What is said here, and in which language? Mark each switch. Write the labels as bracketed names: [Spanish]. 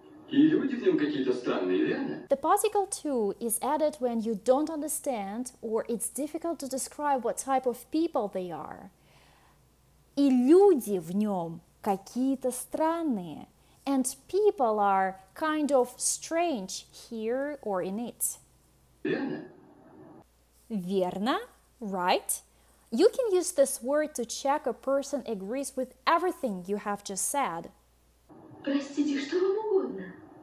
[Russian] И люди в нем какие-то странные, верно? [English] The particle «to» is added when you don't understand or it's difficult to describe what type of people they are. [Russian] И люди в нем какие-то странные. [English] And people are kind of strange here or in it. [Russian] Верно? Верно? [English] Right? You can use this word to check a person agrees with everything you have just said. [Russian] Простите, что вам угодно?